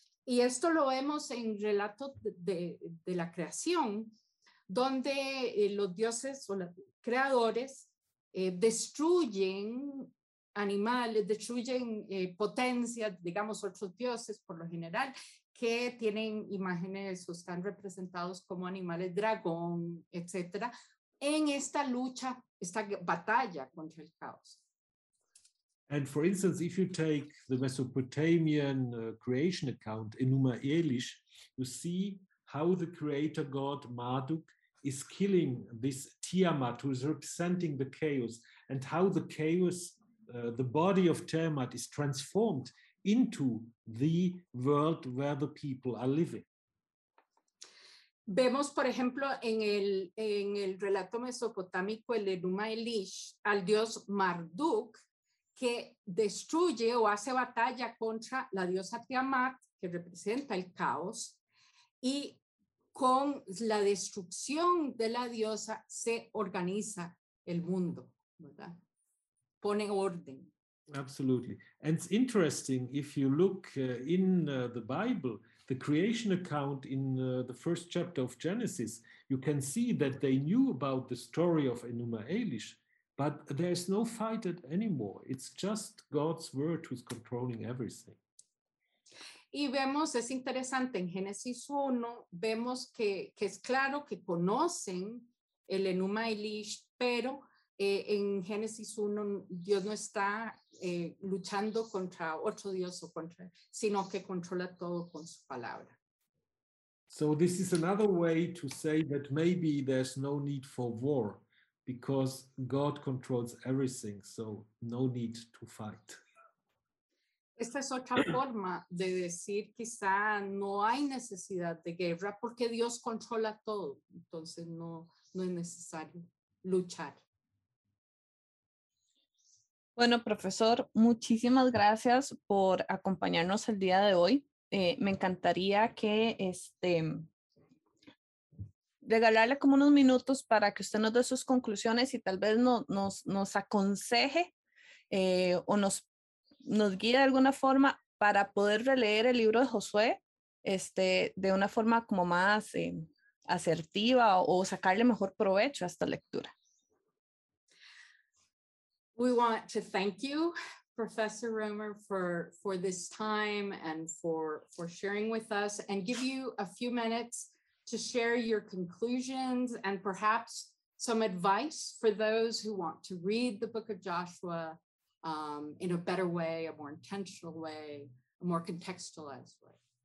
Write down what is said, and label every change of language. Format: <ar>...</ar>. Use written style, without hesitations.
<es>Y esto lo vemos en relatos de la creación, donde los dioses o los creadores destruyen animales, destruyen potencias, digamos otros dioses por lo general, que tienen imágenes o están representados como animales, dragón, etcétera, en esta lucha, esta batalla contra el caos.</es> <en>And for instance, if you take the Mesopotamian creation account, Enuma Elish, you see how the creator god Marduk is killing this Tiamat, who is representing the chaos, and how the chaos, the body of Tiamat, is transformed into the world where the people are living.</en> <es>Vemos, por ejemplo, en el relato mesopotámico, el Enuma Elish, al dios Marduk, que destruye o hace batalla contra la diosa Tiamat, que representa el caos, y con la destrucción de la diosa se organiza el mundo, ¿verdad? Pone orden.</es> <en>Absolutely. And it's interesting, if you look in the Bible, the creation account in the first chapter of Genesis, you can see that they knew about the story of Enuma Elish, but there's no fight anymore. It's just God's word who's controlling everything.</en> <es>Y vemos, es interesante, en Génesis 1, vemos que es claro que conocen el Enuma Elish, pero en Génesis 1 Dios no está luchando contra otro Dios, o contra, sino que controla todo con su palabra.</es> <en>So this is another way to say that maybe there's no need for war, because God controls everything, so no need to fight.</en> <es>Esta es otra forma de decir quizá no hay necesidad de guerra porque Dios controla todo, entonces no es necesario luchar. Bueno, profesor, muchísimas gracias por acompañarnos el día de hoy. Me encantaría que regalarle como unos minutos para que usted nos dé sus conclusiones y tal vez nos aconseje o nos guíe de alguna forma para poder releer el libro de Josué de una forma como más asertiva o sacarle mejor provecho a esta lectura.</es> <en>We want to thank you, Professor Romer, for this time and for sharing with us, and give you a few minutes to share your conclusions and perhaps some advice for those who want to read the book of Joshua in a better way, a more intentional way, a more contextualized way.</en>